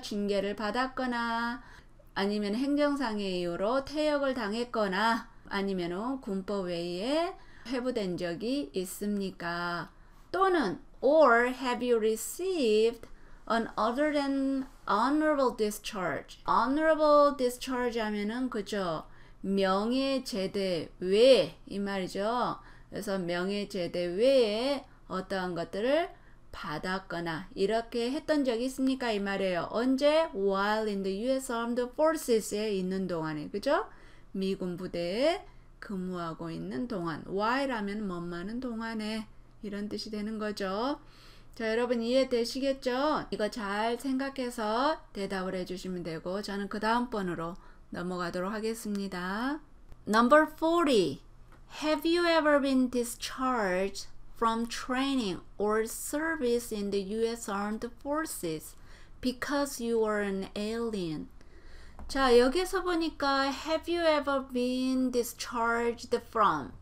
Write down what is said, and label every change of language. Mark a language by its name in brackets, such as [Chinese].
[Korean] 징계를 받았거나 아니면 행정상의 이유로 퇴역을 당했거나 아니면 군법 외에 회부된 적이 있습니까? 또는 [English] or have you received an other than honorable discharge? [Korean] Honorable discharge 하면은 그죠? 명예 제대 외에 이 말이죠. 그래서 명예 제대 외에 어떠한 것들을 받았거나 이렇게 했던 적이 있습니까? 이 말이에요. 언제? While in the US Armed Forces 에 있는 동안에, 그죠? 미군 부대에 근무하고 있는 동안. While 하면 못 마는 동안에 이런 뜻이 되는 거죠. 자, 여러분 이해되시겠죠? 이거 잘 생각해서 대답을 해주시면 되고 저는 그 다음번으로 넘어가도록 하겠습니다. [English] Number 40. Have you ever been discharged from training or service in the US Armed Forces because you are an alien? [Korean] 자, 여기서 보니까 have you ever been discharged from?